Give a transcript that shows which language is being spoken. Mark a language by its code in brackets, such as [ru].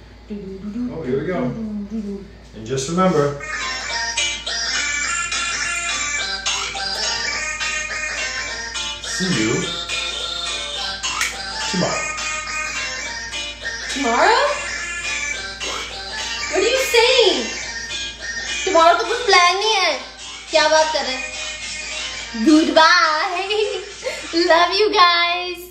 [en] Oh, here we go. And just remember. See you. Tomorrow? What are you saying? [hi] Tomorrow तो कुछ plan नहीं है. क्या बात कर रहे? [en] Goodbye. Love you guys.